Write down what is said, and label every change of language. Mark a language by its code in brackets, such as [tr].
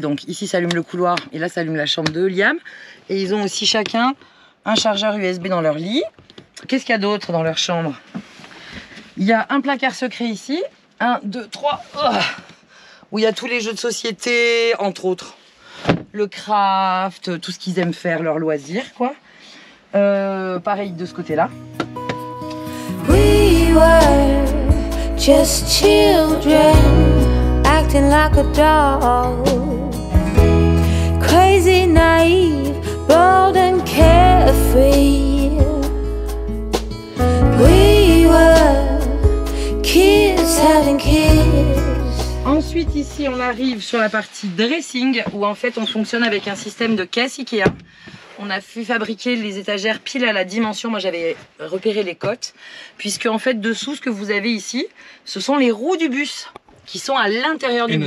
[fr] Donc, ici, ça allume le couloir. Et là, ça allume la chambre de Liam. Et ils ont aussi chacun un chargeur USB dans leur lit. Qu'est-ce qu'il y a d'autre dans leur chambre? Il y a un placard secret ici. Un, deux, trois. Oh, où il y a tous les jeux de société, entre autres. Le craft, tout ce qu'ils aiment faire, leurs loisirs, quoi. Pareil de ce côté-là. [en] We were just children, acting like a doll. Crazy, naive, bold and carefree. We were kids having kids. [fr] Ensuite ici on arrive sur la partie dressing où en fait on fonctionne avec un système de caisse IKEA. On a fait fabriquer les étagères pile à la dimension, moi j'avais repéré les côtes. Puisque en fait dessous ce que vous avez ici, ce sont les roues du bus qui sont à l'intérieur du bus.